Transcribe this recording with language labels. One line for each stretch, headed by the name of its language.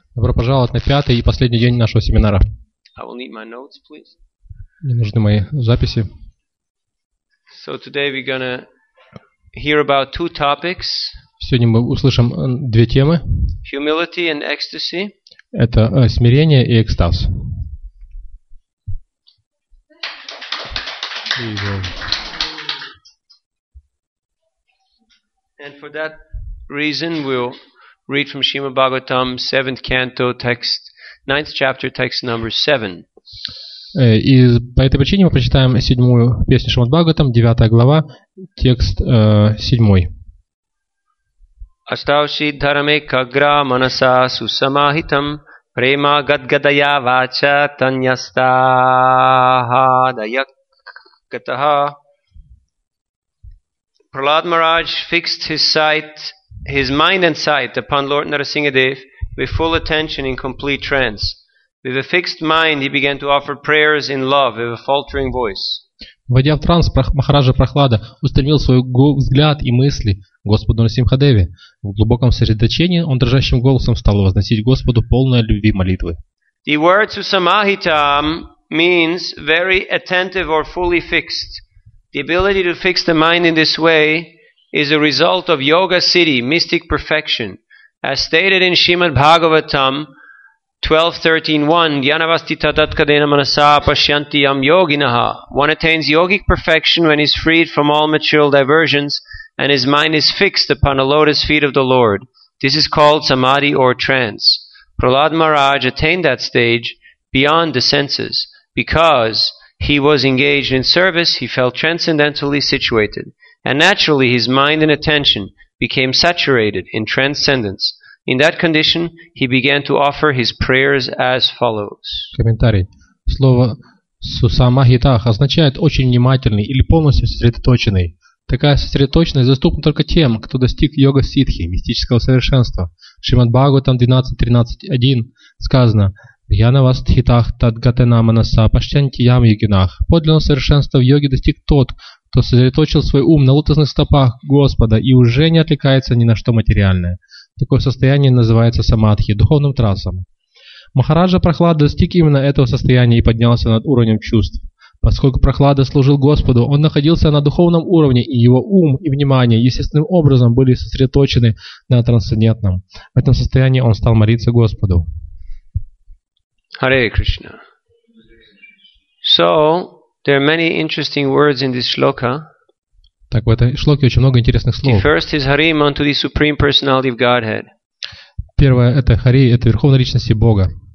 Russian: Добро пожаловать на пятый и последний день нашего семинара.
English: I will need my notes, please.
Russian: Мне нужны мои записи.
English: So today we're gonna hear about two topics.
Russian: Сегодня мы услышим две темы.
English: Humility and ecstasy.
Russian: Это смирение и экстаз.
English: And for that reason, we'll read from Srimad Bhagavatam, 7th canto, text, 9th chapter, text number 7.
Russian: И по этой причине мы прочитаем седьмую песню Шримад Бхагаватам, 9 глава, текст 7.
Sanskrit: Аставши дхарме кагра манаса сусамахитам према гадгадая вача таньяста даяккатаха.
English: Prahlad Maharaj fixed his mind and sight upon Lord Narasimhadev with full attention in complete trance. With a fixed mind, he began to offer prayers in love with a faltering voice.
Russian: Войдя в транс, Махараджа Прахлада устремил свой взгляд и мысли Господу Нарасимхадеве. В глубоком сосредоточении он дрожащим голосом стал возносить Господу полное любви молитвы.
English: The word susamahitam means very attentive or fully fixed. The ability to fix the mind in this way is a result of yoga siddhi, mystic perfection. As stated in Srimad Bhagavatam, 12.13.1
Sanskrit: Dhyanavastita tatkadena manasa pasyanti yam yoginaha.
English: One attains yogic perfection when he is freed from all material diversions and his mind is fixed upon the lotus feet of the Lord. This is called samadhi or trance. Prahlad Maharaj attained that stage beyond the senses. Because he was engaged in service, he felt transcendentally situated. And naturally his mind and attention became saturated in transcendence. In that condition, he began to offer his prayers as follows.
Russian: Комментарий. Слово «сусамахитах» означает «очень внимательный» или «полностью сосредоточенный». Такая сосредоточенность доступна только тем, кто достиг йога-сиддхи, мистического совершенства. В Шримад Бхагаватам 12.13.1 сказано
Sanskrit: «Яновастхитах тадгатена манаса паштянти ям йогинах».
Russian: Подлинного совершенства в йоге достиг тот, кто сосредоточил свой ум на лотосных стопах Господа и уже не отвлекается ни на что материальное. Такое состояние называется самадхи, духовным трансом. Махараджа Прахлада достиг именно этого состояния и поднялся над уровнем чувств. Поскольку Прахлада служил Господу, он находился на духовном уровне, и его ум и внимание естественным образом были сосредоточены на трансцендентном. В этом состоянии он стал молиться Господу. Харе Кришна.
English: So, there are many interesting words in this shloka.
Russian: Так, в этой шлоке очень много интересных слов. Первое – это Хари, это Верховная Личность Бога.